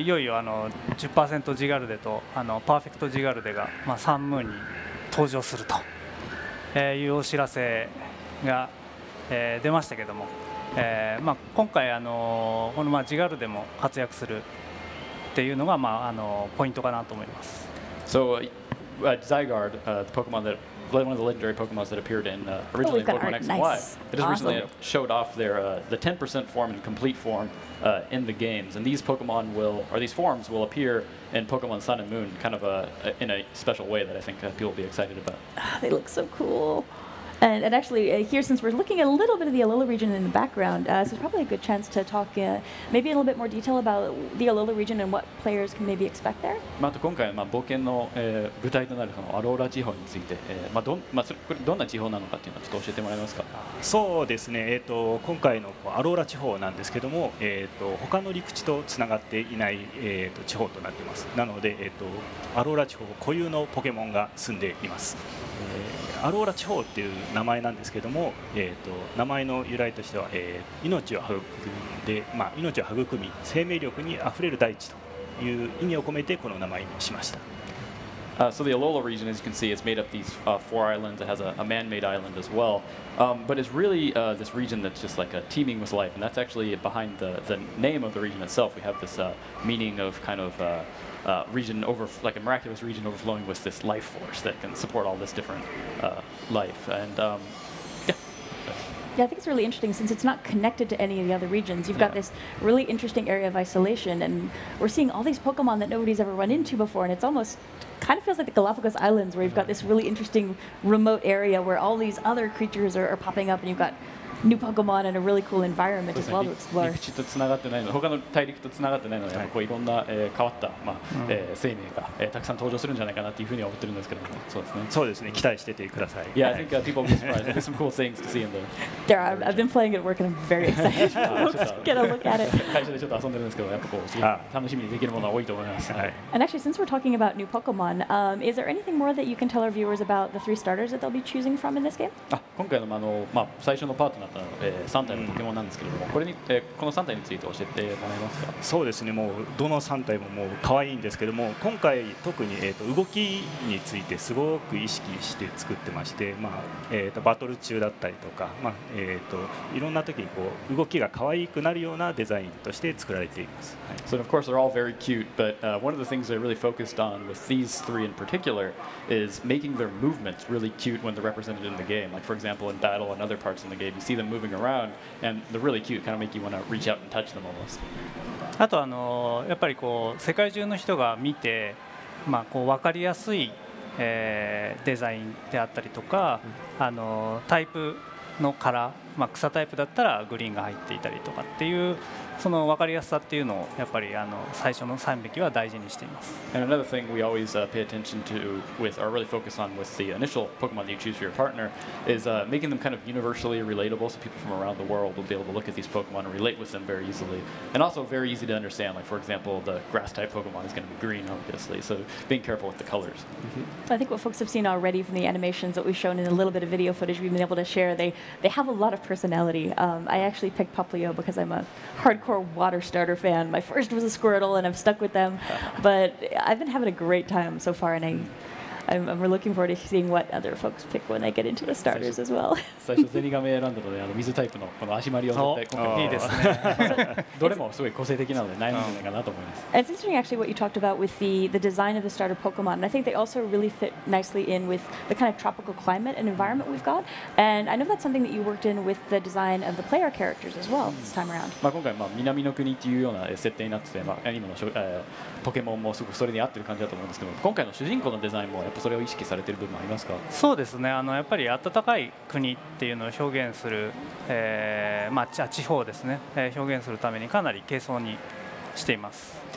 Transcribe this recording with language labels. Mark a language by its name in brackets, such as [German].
[Japanese] いよいよ10% ジガルデとパーフェクトジガルデが、サンムーンに登場するというお知らせが、出ましたけども、今回この、ジガルデも活躍するっていうのが、ポイントかなと思います。 [English] So, Zygarde, the Pokemon that one of the legendary Pokemon that appeared in originally Pokemon X and Y. It just recently showed off their the 10% form and complete form in the games. And these Pokemon will, or these forms will appear in Pokemon Sun and Moon kind of in a special way that I think people will be excited about. They look so cool. And actually, here, since we're looking at a little bit of the Alola region in the background, so it's probably a good chance to talk maybe in a little bit more detail about the Alola region and what players can maybe expect there. [Japanese] また今回、冒険の、舞台となるそのアローラ地方について、これどんな地方なのかっていうのをちょっと教えてもらえますか。そうですね。今回のアローラ地方なんですけども、他の陸地とつながっていない、地方となっています。なので、アローラ地方固有のポケモンが住んでいます。アローラ地方っていう名前なんですけども、名前の由来としては、命を育んで、命を育み、生命力にあふれる大地という意味を込めてこの名前にしました。 [English] So the Alola region, as you can see, is made up of these four islands. It has a man-made island as well. But it's really this region that's just like a teeming with life. And that's actually behind the name of the region itself. We have this meaning of kind of region over, like a miraculous region overflowing with this life force that can support all this different life. And I think it's really interesting since it's not connected to any of the other regions. You've got this really interesting area of isolation, and we're seeing all these Pokemon that nobody's ever run into before, and it's almost kind of feels like the Galapagos Islands, where you've got this really interesting remote area where all these other creatures are popping up, and you've got new Pokemon and a really cool environment as well to explore. [Japanese] 陸地とつながってないの、他の大陸とつながってないので、やっぱこういろんな、変わった、生命が、たくさん登場するんじゃないかなというふうに思ってるんですけども、そうですね。そうですね。期待しててください。 [English] Yeah, I think people will be surprised. There's some cool things to see in there. There are. I've been playing at work and I'm very excited to get a look at it. [Japanese] 会社でちょっと遊んでるんですけど、やっぱこう楽しみにできるものは多いと思います。 [English] And actually, since we're talking about new Pokemon, is there anything more that you can tell our viewers about the three starters that they'll be choosing from in this game? [Japanese] 今回の、最初のパートナー3体のポケモンなんですけれども、これにこの3体について教えてもらえますか。そうですね、もうどの3体ももう可愛いんですけれども、今回特に動きについてすごく意識して作ってまして、バトル中だったりとか、いろんな時にこう動きが可愛くなるようなデザインとして作られています。 [English] So of course they're all very cute, but one of the things they really focused on with these three in particular is making their movements really cute when they're represented in the game. Like for example in battle and other parts in the game. See them moving around, and they're really cute. Kind of make you want to reach out and touch them almost. [Japanese] あとやっぱりこう世界中の人が見て、こう分かりやすい、デザインであったりとか、タイプのカラー、草タイプだったらグリーンが入っていたりとかっていう。その分かりやすさっていうのをやっぱり最初の3匹は大事にしています。 [English] And another thing we always pay attention to with or really focus on with the initial Pokemon that you choose for your partner is making them kind of universally relatable so people from around the world will be able to look at these Pokemon and relate with them very easily and also very easy to understand like for example the grass type Pokemon is going to be green obviously so being careful with the colors. I think what folks have seen already from the animations that we've shown in a little bit of video footage we've been able to share they have a lot of personality. I actually picked Popplio because I'm a hardcore water starter fan. My first was a Squirtle and I've stuck with them, but I've been having a great time so far and I, I'm looking forward to seeing what other folks pick when I get into the starters as well. [Japanese] 最初ゼニガメ選んだので、あの水タイプのこの足まりを絶対今回いいですね。どれもすごい個性的なので悩むんじゃないかなと思います。 [English] It's interesting actually what you talked about with the design of the starter Pokemon. And I think they also really fit nicely in with the kind of tropical climate and environment we've got. And I know that's something that you worked in with the design of the player characters as well this time around. [Japanese] まあ今回まあ南の国っていうような設定になってて、まあ今のポケモンもすごくそれに合ってる感じだと思うんですけど、今回の主人公のデザインもやっぱそれを意識されてる部分もありますか？そうですね。やっぱり暖かい国っていうのを表現する、まあ地方ですね、表現するためにかなり軽装にしています。